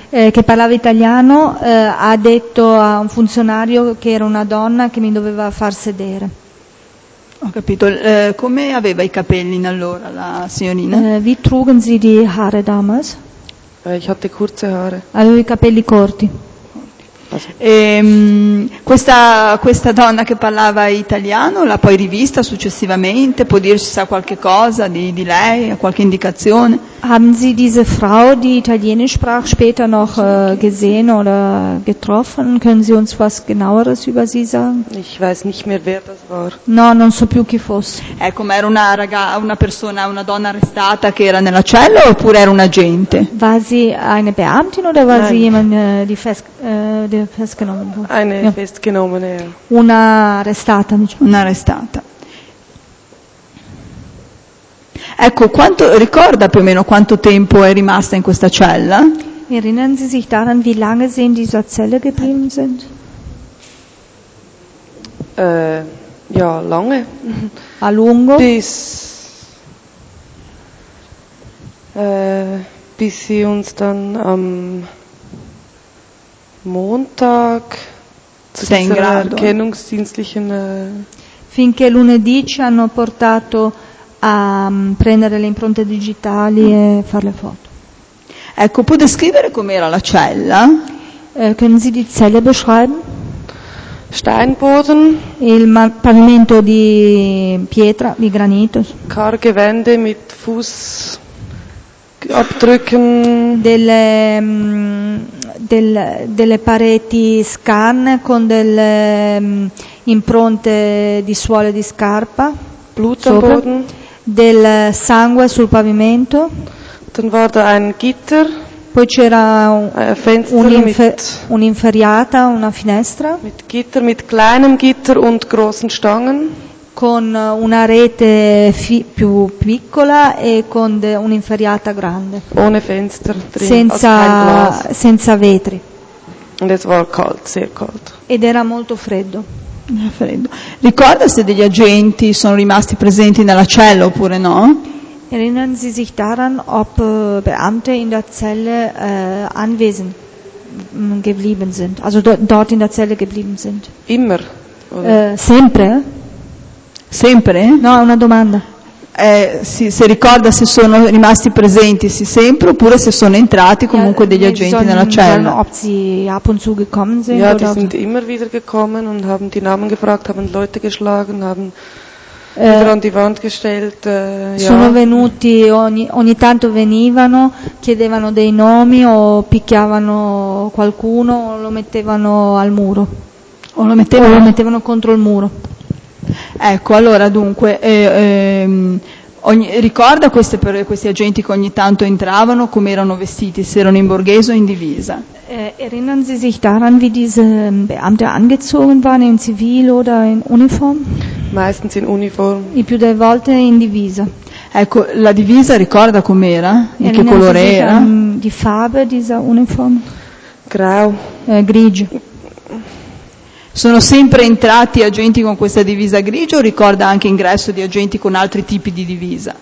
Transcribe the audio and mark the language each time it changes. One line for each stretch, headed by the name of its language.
Italian: che parlava italiano, ha detto a un funzionario che era una donna che mi doveva far sedere. Ho capito. Come aveva i capelli allora la signorina?
German: Wie trugen Sie die Haare damals? Ich hatte kurze Haare.
Italian: Avevo i capelli corti. Questa donna che parlava italiano l'ha poi rivista successivamente? Può dirci sa qualche cosa di lei, qualche indicazione?
German: Haben Sie diese Frau, die Italienisch sprach, später noch gesehen oder getroffen? Können Sie uns was genaueres über sie sagen? Ich weiß nicht mehr, wer das war.
Italian: No, non so più chi fosse. Ecco, ma era una donna arrestata che era nella cella oppure era un agente?
German: War sie eine Beamtin oder war sie jemand, die festgenommen wurde? Eine festgenommene.
Italian: Una arrestata, diciamo. Una arrestata. Ecco, quanto ricorda più o meno quanto tempo è rimasta in questa cella?
German: Erinnern Sie sich daran, wie lange Sie in dieser Zelle geblieben sind? Ja, lange.
Italian: A lungo?
German: Bis sie uns dann am Montag zu dieser erkennungsdienstlichen
Italian: finché lunedì ci hanno portato a prendere le impronte digitali e fare le foto. Ecco, può descrivere com'era la cella?
German: Können Sie die Zelle beschreiben? Steinboden.
Italian: Il pavimento di pietra, di granito.
German: Karge Wände mit Fußabdrücken.
Italian: Delle pareti scarne con delle impronte di suole di scarpa.
German: Blutboden.
Italian: Del sangue sul pavimento.
German: Dann war da ein Gitter,
Italian: poi c'era un'inferriata, una finestra.
German: Mit Gitter, mit kleinem Gitter und großen Stangen.
Italian: Con una rete più piccola e con un'inferriata grande.
German: Ohne Fenster drin,
Italian: senza vetri.
German: Und es war kalt, sehr kalt.
Italian: Ed era molto freddo. Ricorda se degli agenti sono rimasti presenti nella cella oppure no?
German: Erinnern Sie sich daran, ob Beamte in der Zelle anwesend geblieben sind, also dort in der Zelle geblieben sind? Immer.
Italian: Sempre? Sempre? No, una domanda. Se ricorda se sono rimasti presenti sì, sempre oppure se sono entrati comunque degli agenti nella cella.
German: Ob sie ab und zu gekommen sind. Ja, die sind immer wieder gekommen und haben die Namen gefragt, haben Leute geschlagen, haben wieder an die Wand gestellt.
Italian: Sono venuti, ogni tanto venivano, chiedevano dei nomi o picchiavano qualcuno o lo mettevano al muro. O lo mettevano contro il muro. Ecco, allora dunque, ricorda questi agenti che ogni tanto entravano, come erano vestiti, se erano in borghese o in divisa?
German: Erinnern Sie sich daran, wie diese Beamte angezogen waren, in Zivil oder in Uniform? Meistens in Uniform.
Italian: I più delle volte in divisa. Ecco, la divisa ricorda com'era? In che colore
German: Sie
Italian: era?
German: Di Farbe dieser Uniform? Grau.
Italian: Grigio. Sono sempre entrati agenti con questa divisa grigia o ricorda anche ingresso di agenti con altri tipi di divisa?